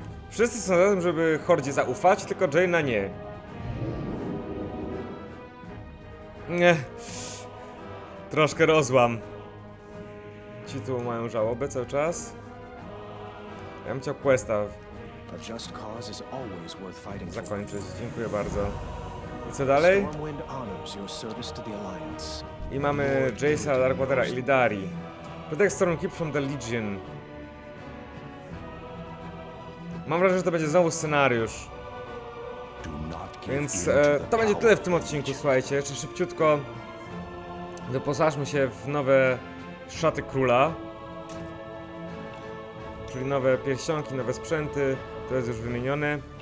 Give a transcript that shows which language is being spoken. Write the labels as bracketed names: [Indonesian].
[Polish] Wszyscy są za tym, żeby Hordzie zaufać, tylko Jaina nie. Nie. Troszkę rozłam. Ci tu mają żałobę cały czas. Ja bym chciał questa. [English] A just cause is always worth fighting for. [Polish] Zakończyć. Dziękuję bardzo. I co dalej? I mamy Jace'a, Darkwatera i Illidari. [English] Protect Storm Keep from the Legion. [Polish] Mam wrażenie, że to będzie znowu scenariusz. Więc to będzie tyle w tym odcinku, słuchajcie. Jeszcze szybciutko doposażmy się w nowe szaty króla. Czyli nowe pierścionki, nowe sprzęty. To jest już wymienione.